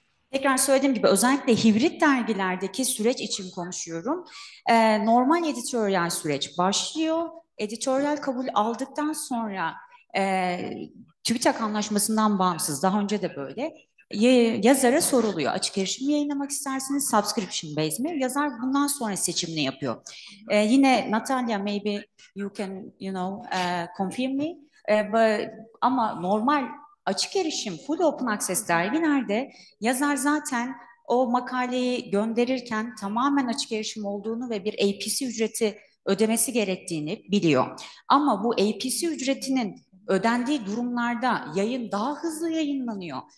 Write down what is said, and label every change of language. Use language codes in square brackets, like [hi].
[tr] Tekrar söylediğim gibi özellikle hibrit dergilerdeki süreç için konuşuyorum. Normal editoryal süreç başlıyor. Editoryal kabul aldıktan sonra TÜBİTAK anlaşmasından bağımsız, daha önce de böyle, yazara soruluyor. Açık erişim mi yayınlamak istersiniz? Subscription based mi? Yazar bundan sonra seçimini yapıyor. Yine [en] Natalia, maybe you can, you know, confirm me. [tr] Ama normal açık erişim, [en] full open access [tr] derginlerde yazar zaten o makaleyi gönderirken tamamen açık erişim olduğunu ve bir APC ücreti ödemesi gerektiğini biliyor. Ama bu APC ücretinin ödendiği durumlarda yayın daha hızlı yayınlanıyor.